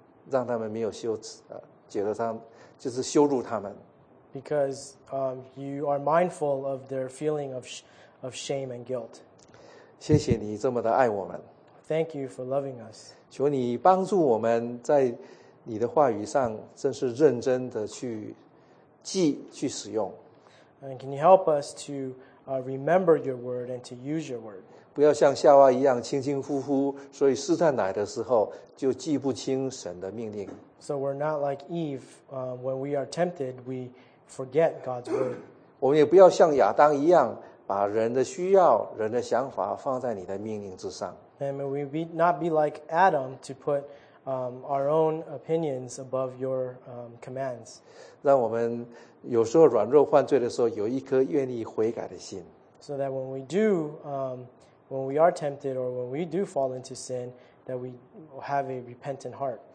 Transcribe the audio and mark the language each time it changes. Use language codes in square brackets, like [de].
[zh] 让他们没有羞耻，解了他们，就是羞辱他们。 [en] Because you are mindful of their feeling of shame and guilt. [zh] 谢谢你这么的爱我们。 [en] Thank you for loving us. [zh] 求你帮助我们在你的话语上，真是认真的去记去使用。 [en] And can you help us to remember your word and to use your word? [zh] 不要像夏娃一样轻轻忽忽，所以试探来的时候就记不清神的命令。 [en] So we're not like Eve, when we are tempted, we forget God's word. [zh] 我们也不要像亚当一样，把人的需要、人的想法放在你的命令之上。 [en] And may we be, not be like Adam to put our own opinions above your commands. [zh] 让我们有时候软弱犯罪的时候，有一颗愿意悔改的心。 [en] So that when we do, when we are tempted or when we do fall into sin, that we have a repentant heart.